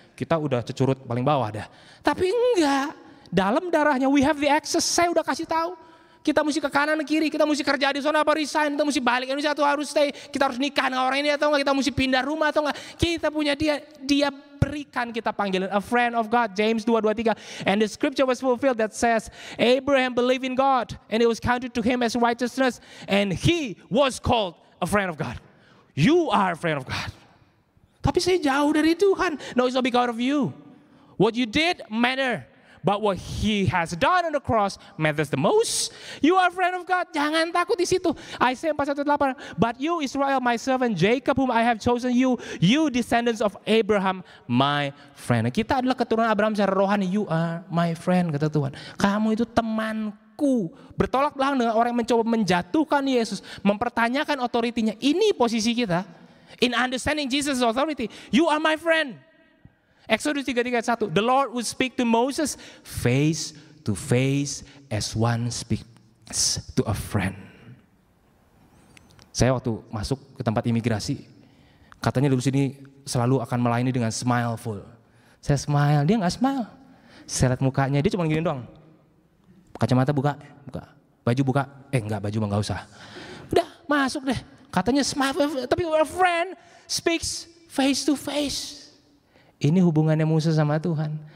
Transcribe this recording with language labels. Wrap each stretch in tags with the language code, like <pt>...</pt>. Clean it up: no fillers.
<id>Kita udah cecurut paling bawah dah. Tapi enggak. Dalam darahnya</id> <en>we have the access.</en> <id>Saya udah kasih tahu. Kita mesti ke kanan kiri, kita mesti kerja di sana apa resign, kita mesti balik Indonesia atau harus stay. Kita harus nikah dengan orang ini atau enggak, kita mesti pindah rumah atau enggak. Kita punya dia berikan kita panggilan,</id> <en>a friend of God,</en> <id>James 2:23.</id> <en>And the scripture was fulfilled that says, Abraham believed in God and it was counted to him as righteousness and he was called a friend of God. You are a friend of God.</en> <id>Tapi saya jauh dari Tuhan.</id> <en>No, it's not because of you. What you did matter. But what he has done on the cross matters the most. You are a friend of God.</en> <id>Jangan takut di situ.</id> <en>Isaiah 4:18. But you, Israel, my servant Jacob, whom I have chosen you, you descendants of Abraham, my friend.</en> <id>Kita adalah keturunan Abraham secara rohani.</id> <en>You are my friend,</en> <id>kata Tuhan. Kamu itu temanku. Bertolak belakang dengan orang yang mencoba menjatuhkan Yesus, mempertanyakan otoritinya. Ini posisi kita.</id> <en>In understanding Jesus' authority, you are my friend. Exodus 3:31, the Lord would speak to Moses face to face as one speaks to a friend.</en> <id>Saya waktu masuk ke tempat imigrasi, katanya dulu sini selalu akan melayani dengan smile full. Saya smile, dia gak smile. Saya lihat mukanya, dia cuma gini doang. Kacamata buka, buka. Baju buka, enggak baju mah gak usah. Udah masuk deh, katanya smile, tapi</id> <en>a friend speaks face to face.</en> <id>Ini hubungannya Musa sama Tuhan.</id>